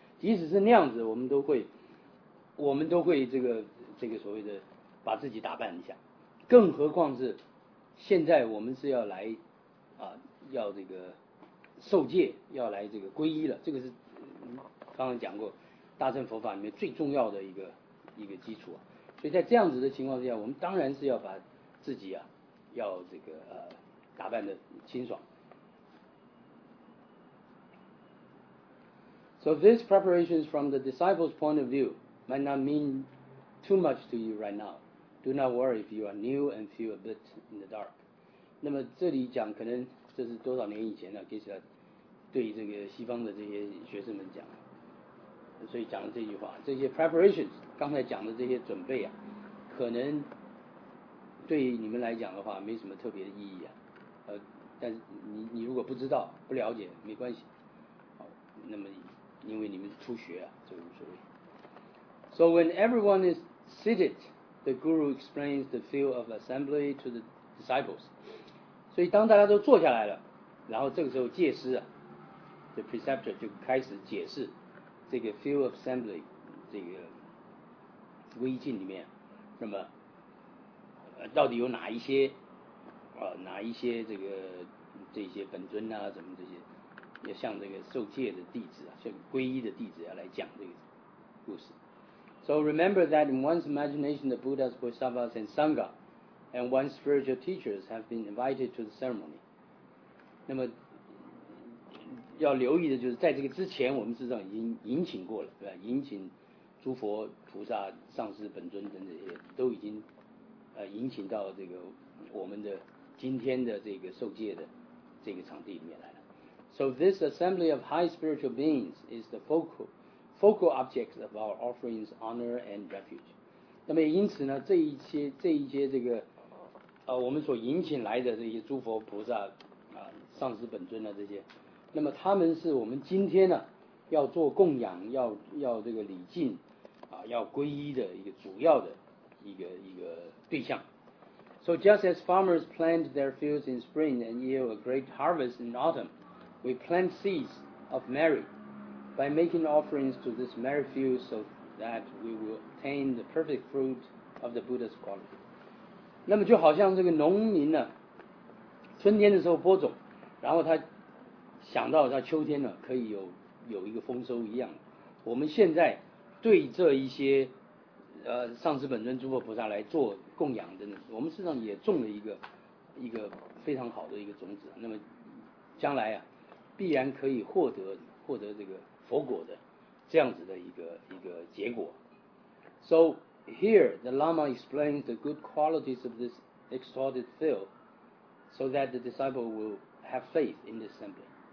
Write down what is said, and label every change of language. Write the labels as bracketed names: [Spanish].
[Chinese] 即使是那样子，我们都会这个所谓的把自己打扮一下，更何况是现在我们是要来啊，要这个受戒，要来这个皈依了。这个是刚刚讲过，大乘佛法里面最重要的一个基础啊。所以在这样子的情况之下，我们当然是要把自己啊，要这个打扮的清爽。 [English] So these preparations from the disciples' point of view might not mean too much to you right now. Do not worry if you are new and feel a bit in the dark. [Chinese] 那么这里讲可能这是多少年以前呢，给起来对这个西方的这些学生们讲，所以讲了这句话，这些 preparations 刚才讲的这些准备啊，可能对你们来讲的话没什么特别的意义啊，但是你如果不知道不了解没关系，好，那么因为你们是初学啊，这个无所谓。 [English] So when everyone is seated, the guru explains the field of assembly to the disciples. [Chinese] 所以当大家都坐下来了，然后这个时候戒师啊 [English] the preceptor [Chinese] 就开始解释这个 [English] field of assembly [Chinese] 这个微镜里面那么到底有哪一些哪一些这些本尊啊，什么这些，要向这个受戒的弟子啊，向皈依的弟子要来讲这个故事。 [English] So remember that in one's imagination, the Buddhas, Bodhisattvas, and Sangha, and one's spiritual teachers have been invited to the ceremony. [Chinese] 那么，要留意的就是在这个之前我们事实上已经引请过了，对吧？引请诸佛菩萨上师本尊等这些都已经引请到这个我们的今天的这个受戒的这个场地里面来了。 [English] So this assembly of high spiritual beings is the focal object of our offerings, honor and refuge. [Chinese] 那么因此呢，这一些这个我们所引请来的这些诸佛菩萨上师本尊的这些，那么他们是我们今天呢要做供养，要这个礼敬要皈依的一个主要的一个对象。 [English] So just as farmers plant their fields in spring and yield a great harvest in autumn, we plant seeds of merit by making offerings to this merit field so that we will obtain the perfect fruit of the Buddha's quality. [Chinese] 那么就好像这个农民呢春天的时候播种，然后他想到他秋天呢可以有一个丰收一样，我们现在对这一些上师本尊诸佛菩萨来做供养的，我们事实上也种了一个非常好的一个种子，那么将来啊必然可以获得这个佛果的这样子的一个结果。 [English] So here the Lama explains the good qualities of this exalted field so that the disciple will have faith in this assembly.